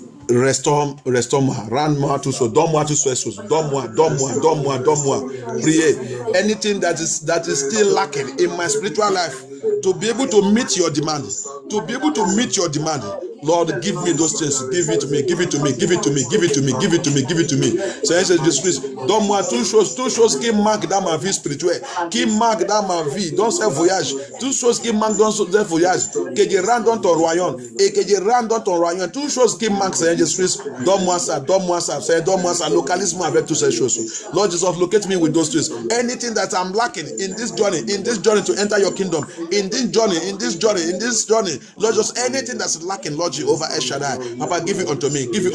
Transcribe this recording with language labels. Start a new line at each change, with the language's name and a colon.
French: Restore moi, rends moi tout ce, donne moi. Priez.
English: Anything that is still lacking in my spiritual life to be able to meet your demand. Lord, give me those things. Give it to me.
French: Seigneur Jésus Christ, donne-moi toutes choses qui manquent dans ma vie spirituelle, qui manquent dans ma vie, dans ce voyage. Toutes choses qui manquent dans ce voyage, que je rentre dans ton royaume et que je rentre dans ton royaume. Toutes choses qui manquent, Seigneur Jésus Christ, donne-moi ça. Localise-moi avec toutes ces choses.
English: Lord Jesus, locate me with those things. Anything that I'm lacking in this journey to enter your kingdom, in this journey, Lord, just anything that's lacking. Lord Jehovah El Shaddai, Papa, give it unto me.